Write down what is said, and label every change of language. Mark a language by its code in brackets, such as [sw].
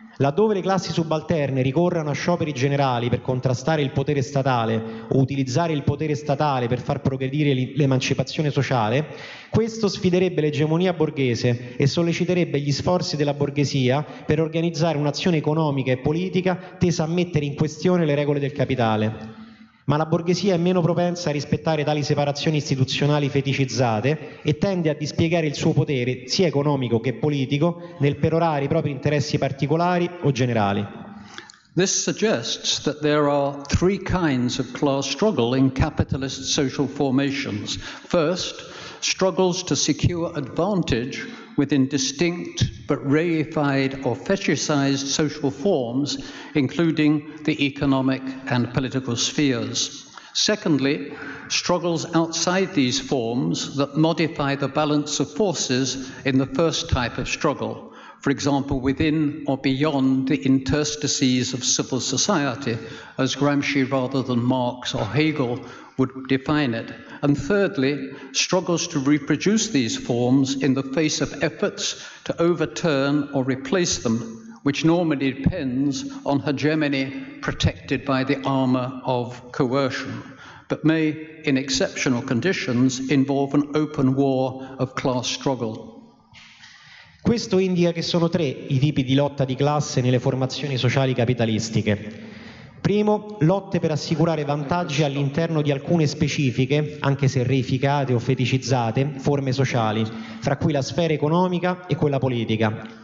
[it] Laddove le classi subalterne ricorrano a scioperi generali per contrastare il potere statale o utilizzare il potere statale per far progredire l'emancipazione sociale, questo sfiderebbe l'egemonia borghese e solleciterebbe gli sforzi della borghesia per organizzare un'azione economica e politica tesa a mettere in questione le regole del capitale. Ma la borghesia è meno propensa a rispettare tali separazioni istituzionali feticizzate e tende a dispiegare il suo potere, sia economico che politico, nel perorare i propri interessi particolari o generali. [en] This suggests that there are three kinds of class struggle in capitalist social formations. First, struggles to secure advantage within distinct but reified or fetishized social forms, including the economic and political spheres. Secondly, struggles outside these forms that modify the balance of forces in the first type of struggle, for example, within or beyond the interstices of civil society, as Gramsci rather than Marx or Hegel would define it. And thirdly, struggles to reproduce these forms in the face of efforts to overturn or replace them, which normally depends on hegemony protected by the armor of coercion, but may, in exceptional conditions, involve an open war of class struggle. [it] Questo indica che sono tre i tipi di lotta di classe nelle formazioni sociali capitalistiche. Primo, lotte per assicurare vantaggi all'interno di alcune specifiche, anche se reificate o feticizzate, forme sociali, fra cui la sfera economica e quella politica.